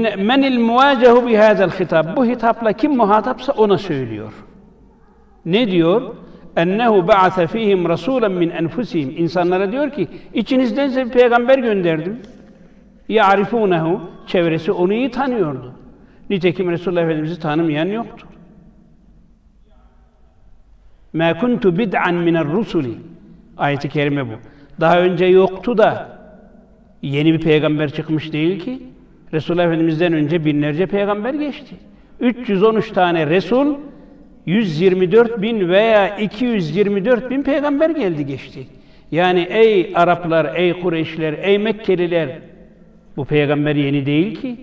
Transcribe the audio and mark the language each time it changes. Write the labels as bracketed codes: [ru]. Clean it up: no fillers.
[ar] مَنِ الْمُوَاجَهُ بِهَذَا الْخِطَابِ [tr] Bu hitapla kim muhatapsa ona söylüyor. Ne diyor? [ar] اَنَّهُ بَعَثَ ف۪يهِمْ رَسُولًا مِّنْ اَنْفُسِهِمْ [tr] İnsanlara diyor ki, içinizden size bir peygamber gönderdim. [ar] يَعْرِفُونَهُ [tr] Çevresi onu iyi tanıyordu. Nitekim Resulullah Efendimiz'i tanımayan yoktu. [ar] مَا كُنْتُ بِدْعًا مِنَ الرُّسُلِ [tr] Ayet-i Kerime bu. Daha önce yoktu da, yeni bir peygamber çıkmış değil ki. Resulullah Efendimiz'den önce binlerce peygamber geçti. 313 tane Resul, 124 bin veya 224 bin peygamber geldi geçti. Yani ey Araplar, ey Kureyşler, ey Mekkeliler, bu peygamber yeni değil ki.